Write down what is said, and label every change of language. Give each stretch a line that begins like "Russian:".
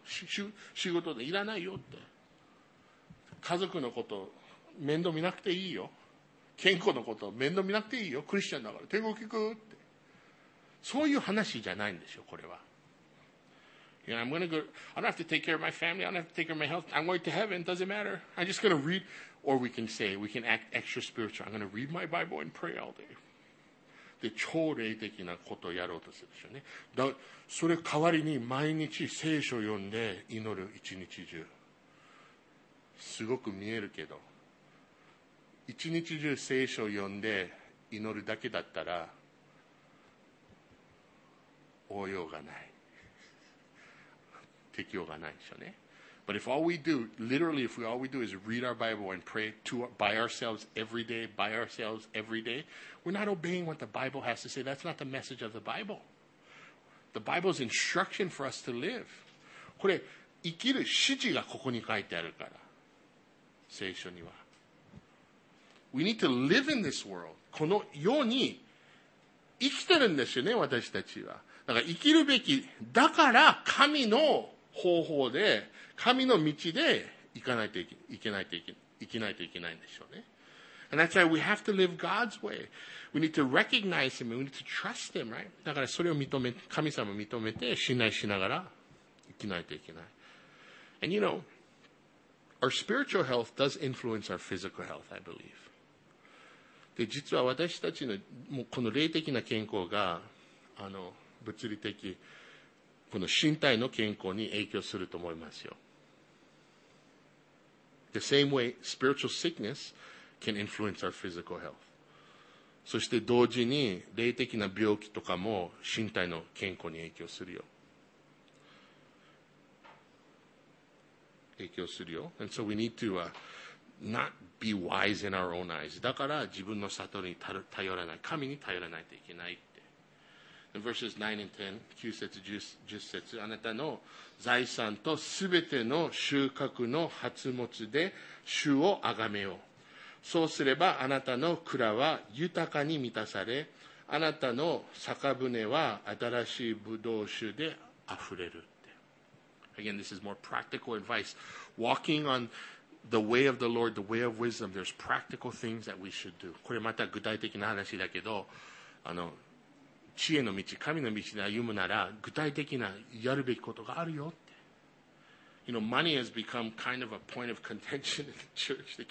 Japanese: 仕事でいらないよって。家族のこと、面倒見なくていいよ。健康のこと面倒見なくていいよ。クリスチャンだから天国行くって。そういう話じゃないんですよ、これは。
English: You know, I'm gonna go, I don't have to take care of my family. I don't have to take care of my health. I'm going to heaven. Doesn't matter. I'm just gonna read. Or we can say, we can act extra spiritual. I'm gonna read my Bible and pray all day.
Japanese: で、超霊的なことをやろうとするでしょうね。だそれ代わりに毎日聖書を読んで祈る一日中。すごく見えるけど。一日中聖書を読んで祈るだけだったら応用がない適用がないでしょうね
English: But if all we do literally if we all we do is read our Bible and pray to, by ourselves every day by ourselves every day we're not obeying what the Bible has to say that's not the message of the Bible the Bible's instruction for us to live
Japanese: これ生きる指示がここに書いてあるから聖書には
English: We need to live in this world.
Japanese: この世に生きてるんですよね、私たちは。だから生きるべき。だから神の方法で、神の道で行かないといけ、行けないといけ、行けないといけないんでしょうね。
English: And that's why we have to live God's way. We need to recognize Him. We need to trust Him, right?
Japanese: だからそれを認め、神様を認めて信頼しながら生きないといけない。
English: And you know, our spiritual health does influence our physical health, I believe.
Japanese: で実は私たちのもうこの霊的な健康があの物理的この身体の健康に影響すると思いますよ。
English: The same way spiritual sickness can influence our physical health.
Japanese: そして同時に霊的な病気とかも身体の健康に影響するよ。影響するよ。
English: And so we need to not be wise in our own eyes.
Japanese: だから自分の悟りに頼らない、神に頼らないといけないって。
English: Verses 9 and 10,
Japanese: 9節、10節、あなたの財産とすべての収穫の初物で主をあがめよう。そうすればあなたの蔵は豊かに満たされ、あなたの酒舟は新しいブドウ酒であふれるって。
English: Again, this is more practical advice. Walking on the way of the Lord, the way of wisdom, there's practical things that we should do.
Japanese: これまた具体的な話だけど、知恵の道、神の道で歩むなら、具体的なやるべきことがあるよって。
English: You know, money has become kind of a point of contention in the church.